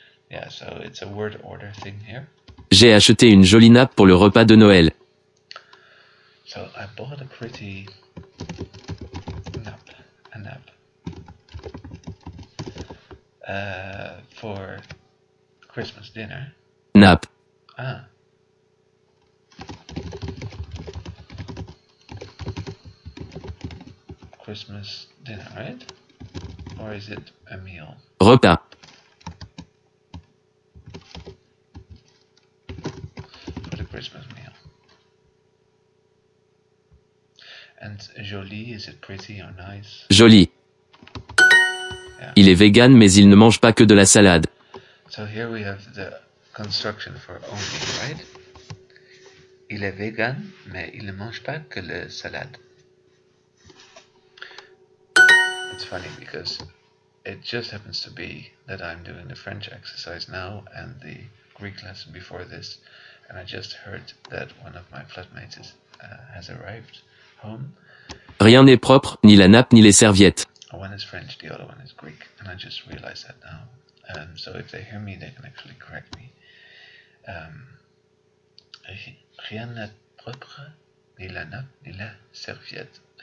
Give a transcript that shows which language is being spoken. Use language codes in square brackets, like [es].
[en] Yeah, so it's a word order thing here. [fr] J'ai acheté une jolie nappe pour le repas de Noël. [en] So I bought a pretty nap, a nap, for Christmas dinner. Nap. Ah. Christmas dinner, right? Or is it a meal? [fr] Repas. [en] For the Christmas meal. And jolie, is it pretty or nice? Jolie. Yeah. [fr] Il est vegan, mais il ne mange pas que de la salade. [en] So here we have the construction for only, right? [fr] Il est vegan, mais il ne mange pas que la salade. [en] It's funny because it just happens to be that I'm doing the French exercise now and the Greek lesson before this, and I just heard that one of my flatmates has arrived home. [fr] Rien n'est propre, ni la nappe, ni les serviettes. [en] One is French, the other one is Greek, and I just realized that now. So if they hear me, they can actually correct me. [fr] Rien n'est propre, ni la nappe, ni la serviette.